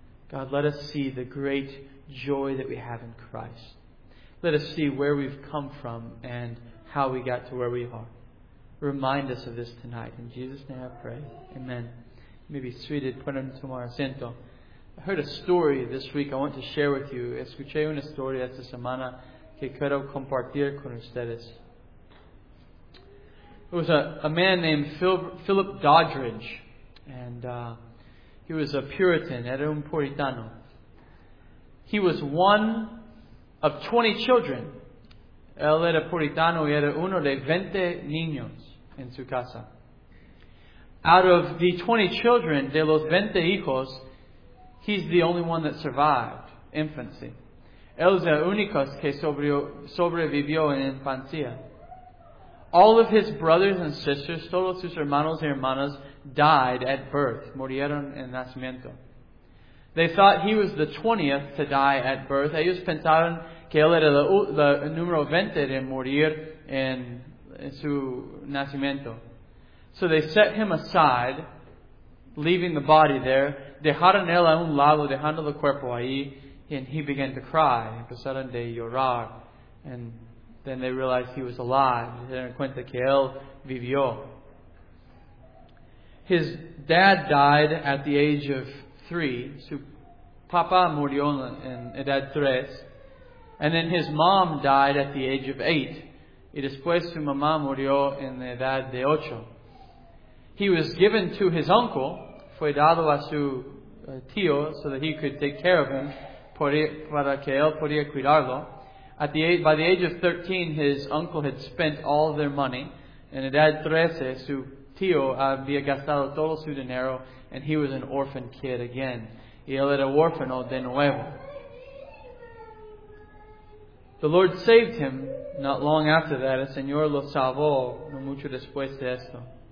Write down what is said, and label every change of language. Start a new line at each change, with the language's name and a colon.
English: God, let us see the great joy that we have in Christ. Let us see where we've come from and how we got to where we are. Remind us of this tonight. In Jesus' name I pray. Amen. You may be seated. Put on tomorrow's asiento. I heard a story this week I want to share with you.
Spanish: Escuché una historia esta semana que quiero compartir con ustedes.
English: It was a man named Philip Doddridge. And he was a Puritan.
Spanish: Era un puritano.
English: He was one of 20 children.
Spanish: Él era puritano y era uno de 20 niños en su casa.
English: Out of the 20 children,
Spanish: de los 20 hijos,
English: he's the only one that survived infancy.
Spanish: Él es el único que sobrevivió en infancia.
English: All of his brothers and sisters,
Spanish: todos sus hermanos y hermanas,
English: died at birth.
Spanish: Murieron en nacimiento.
English: They thought he was the 20th to die at birth.
Spanish: Ellos pensaron que él era el número 20 de morir en su nacimiento.
English: So they set him aside, leaving the body there.
Spanish: Dejaron él a un lado, dejando el cuerpo ahí,
English: and he began to cry.
Spanish: Empezaron de llorar.
English: And then they realized he was alive.
Spanish: Se dieron cuenta que él vivió.
English: His dad died at the age of 3.
Spanish: Su papá murió en edad 3.
English: And then his mom died at the age of 8.
Spanish: Y después su mamá murió en la edad de 8.
English: He was given to his uncle.
Spanish: Fue dado a su tío
English: so that he could take care of him,
Spanish: para que él podía cuidarlo.
English: By the age of 13, his uncle had spent all of their money
Spanish: En edad 13, su tío había gastado todo su dinero,
English: and he was an orphan kid again.
Spanish: Y él era huérfano de nuevo.
English: The Lord saved him not long after that.
Spanish: El Señor lo salvó no mucho después de esto.